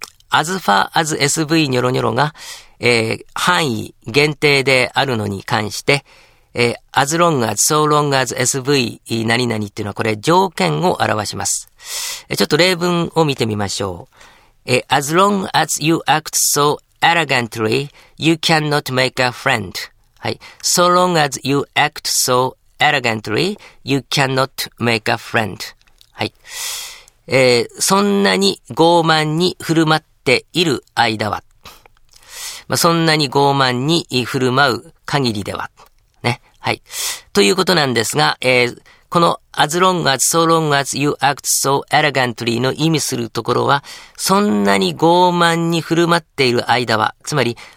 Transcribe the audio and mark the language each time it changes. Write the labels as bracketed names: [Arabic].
[Japanese] As far as SV, ニョロニョロが、範囲限定であるのに関して、 [English] as long as, so long as sv [Japanese] 何々っていうのはこれ条件を表します。ちょっと例文を見てみましょう。 [English] as long as you act so arrogantly, you cannot make a friend. [Japanese] はい。 [English] so long as you act so arrogantly, you cannot make a friend. [Japanese] はい。そんなに傲慢に振る舞っている間は、まあ、そんなに傲慢に振る舞う限りでは、ね。はい。ということなんですが、この [English] as long as, so long as you act so arrogantly [Japanese] の意味するところは、そんなに傲慢に振る舞っている間は、つまり、